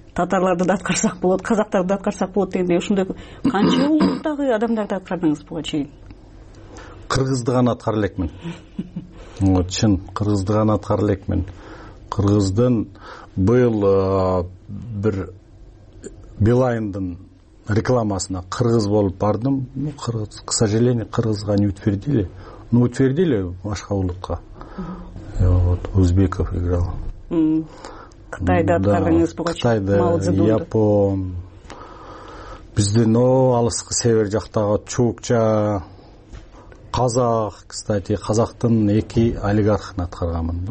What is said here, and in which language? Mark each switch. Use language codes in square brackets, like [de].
[ky] Татарларды да аткарсак болот, казактарды да аткарсак болот дегендей, ушундай канча улуттагы адамдарды аткардыңыз буга чейин? Кыргызды гана аткара элекмин. Вот, чын, кыргызды гана аткара элекмин. Кыргыздын быйыл бир Билайндын рекламасына кыргыз болуп бардым. [ru] Ну, [ky] кыргыз, [ru] к сожалению, [ky] кыргызга [ru] не утвердили. Ну, утвердили [ky] башка улутка. [ru] Вот, Узбеков играл. [ky] Кытайды аткардыңыз буга чейин. Кытайды, Япон. Биздин алыскы север жактагы чукча, казак, кстати, казактын эки олигархын аткарганмын.